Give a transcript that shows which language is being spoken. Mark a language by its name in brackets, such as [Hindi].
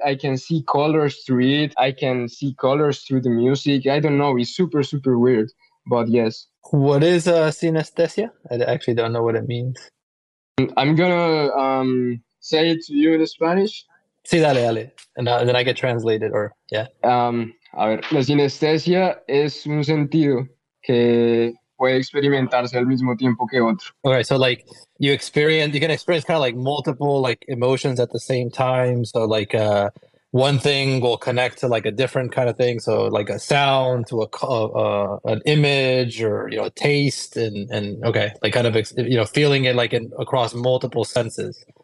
[English] I can see colors through it. I can see colors through the music. I don't know. It's super, super weird, but yes. What is synesthesia? I actually don't know what it means. I'm going to say it to you in Spanish. [Spanish] Sí, dale, dale. [English] And then I get translated, or yeah. [Spanish] A ver, la sinestesia es un sentido que puede experimentarse al mismo tiempo que otro. [English] Okay, so like you can experience kind of like multiple like emotions at the same time. So like one thing will connect to like a different kind of thing. So like a sound to an image, or you know, a taste, and okay, like kind of you know, feeling it like across multiple senses.